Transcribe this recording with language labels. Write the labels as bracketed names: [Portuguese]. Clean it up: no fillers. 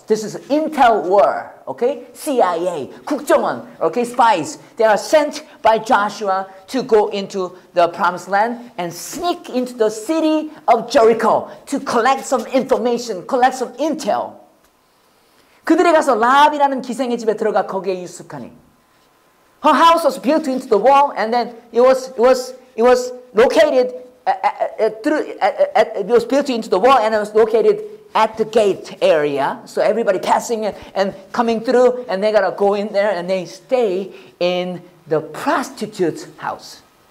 [English] This is intel war. Okay? CIA. 국정원. Okay? Spies. They are sent by Joshua to go into the promised land and sneak into the city of Jericho to collect some information, collect some intel. [Korean] 그들이 가서 라합이라는 기생의 집에 들어가 거기에 유숙하니. [English] Her house was built into the wall and then it was built into the wall and it was located at the gate area. So everybody passing and coming through and they gotta go in there and they stay in the prostitute's house.